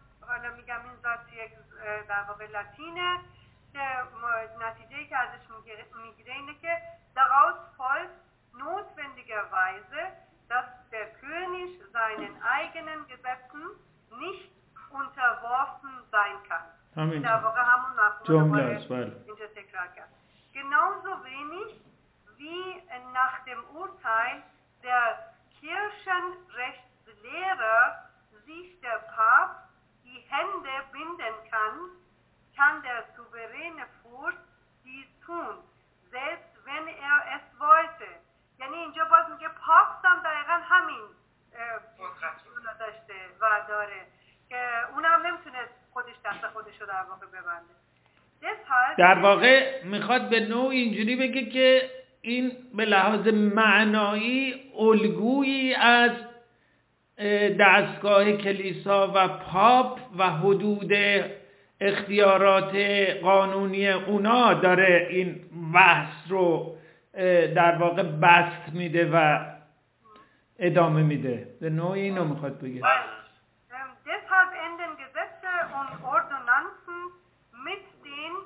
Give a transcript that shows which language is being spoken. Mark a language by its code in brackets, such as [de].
[fa] حالا میگم این ذات یک در واقع لاتینه که نتیجه ای که ازش میگیره اینه که [de] daraus folgt notwendigerweise dass der König seinen eigenen Gesetzen nicht unterworfen sein kann. [fa] در واقع همون رو تکرار کرد. [de] Genauso wenig wie nach dem Urteil der Kirchenrechtslehrer sich der Papst die Hände binden kann, kann der souveräne Fürst dies tun, selbst wenn er es wollte. [fa] یعنی اینجا باز میگه پاپس هم دقیقا همین قدرت داشته و داره که اونم نمیتونه خودش دست خودش رو در واقع ببنده. در واقع میخواد به نوع اینجوری بگه که این به لحاظ معنایی الگویی از دستگاه کلیسا و پاپ و حدود اختیارات قانونی اونا داره این بحث رو در واقع بست میده و ادامه میده. به نوعی اینو میخواد بگه. [de] Deshalb enden Gesetze und Ordnungen mit den